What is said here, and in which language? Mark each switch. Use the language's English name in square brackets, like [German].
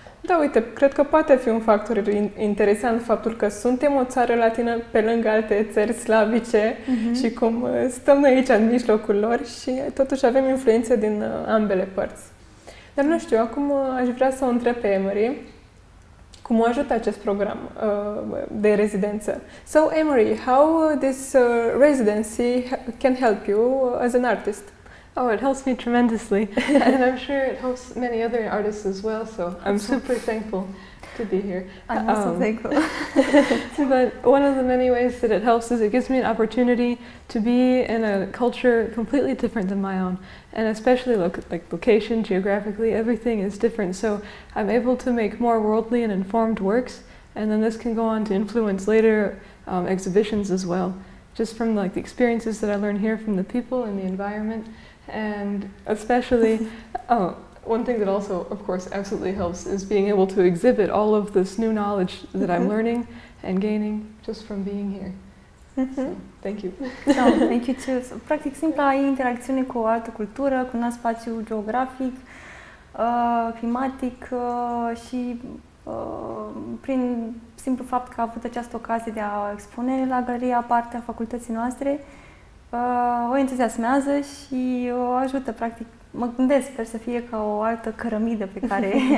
[Romanian] Da, uite, cred că poate fi un factor interesant faptul că suntem o țară latină pe lângă alte țări slavice și cum stăm noi aici în mijlocul lor și totuși avem influențe din ambele părți. Dar nu știu, acum aș vrea să o întreb pe Emery cum o ajută acest program de rezidență. [English] So, Emery, how this residency can help you as an artist? Oh, it helps me tremendously, and I'm sure it helps many other artists as well, so I'm super thankful to be here. I'm also thankful. But one of the many ways that it helps is it gives me an opportunity to be in a culture completely different than my own, and especially location, geographically, everything is different, so I'm able to make more worldly and informed works, and then this can go on to influence later exhibitions as well, just from the experiences that I learn here from the people and the environment. And especially, one thing that also, of course, absolutely helps is being able to exhibit all of this new knowledge that I'm learning and gaining just from being here. So, thank you. No, thank you too. [Romanian] So, practic, simpla interacțiune cu o altă cultură, cu un alt spațiu geografic, climatic și prin simplu fapt că a avut această ocazie de a expune la galeria parte a facultății noastre, o entuziasmează și o ajută, practic, mă gândesc, sper să fie ca o altă cărămidă pe care